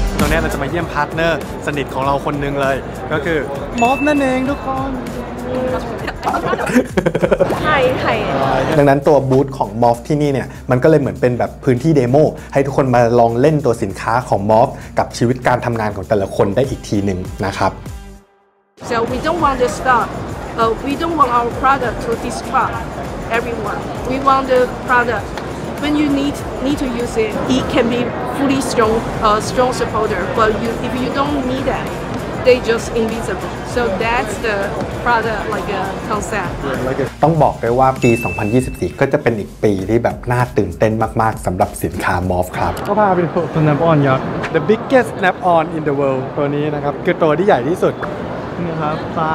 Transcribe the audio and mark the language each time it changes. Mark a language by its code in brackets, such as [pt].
[th] แรกเราจะมาเยี่ยมพาร์ทเนอร์สนิทของเราคนนึงเลยก็คือม็อบนั่นเองทุกคน ดังนั้นตัวบูธของ MOF ที่นี่เนี่ยมันก็เลยเหมือนเป็นแบบพื้นที่เดโมให้ทุกคนมาลองเล่นตัวสินค้าของ MOF กับชีวิตการทำงานของแต่ละคนได้อีกทีนึงนะครับ [en] So we don't want to stop we don't want our product to distract everyone we want the product when you need to use it it can be fully strong supporter but you, if you don't need thatThey just invisible. So that's the product like a concept. [th] ต้องบอกได้ว่าปี2024ก็จะเป็นอีกปีที่แบบน่าตื่นเต้นมากๆสำหรับสินค้า MOF ครับ ก็พาไปดู Snap On ยักษ์ [en] The biggest Snap On in the world [th] ตัวนี้นะครับคือตัวที่ใหญ่ที่สุดนี่ครับ3 2